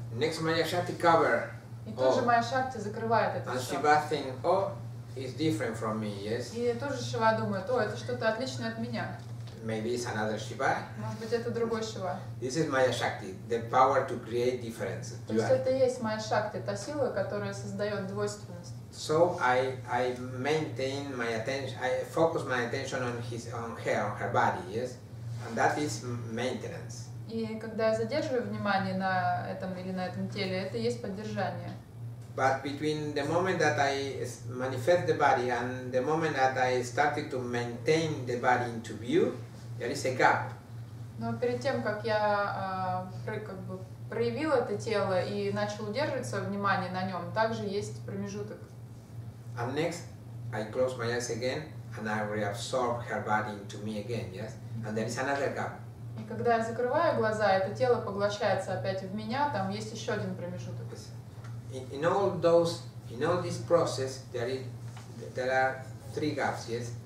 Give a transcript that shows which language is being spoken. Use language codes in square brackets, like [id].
[en] Next Maya Shakti cover. [ru] И тоже Maya Shakti закрывает это все. [en] Shiva think, oh, is different from me, yes. [ru] И тоже Шива думает, о, это что-то отличное от меня. [en] Maybe it's another Shiva. [ru] Может быть, это другой Шива. [en] This is Maya Shakti, the power to create difference. [ru] То есть это есть Maya Shakti, та сила, которая создает двойственность. [en] So I maintain my attention, I focus my attention on his, on her, on her body, yes, and that is maintenance. [ru] И когда я задерживаю внимание на этом или на этом теле, это есть поддержание. [en] But between the moment that I manifest the body and the moment that I started to maintain the body into view, there is a gap. [ru] Но перед тем, как я как бы проявил это тело и начал удерживать свое внимание на нем, также есть промежуток. [en] And next, I close my eyes again and I reabsorb her body into me again, yes? And there is another gap. [ru] И когда я закрываю глаза, это тело поглощается опять в меня, там есть еще один промежуток. [en] In all this process, there are three gaps, yes?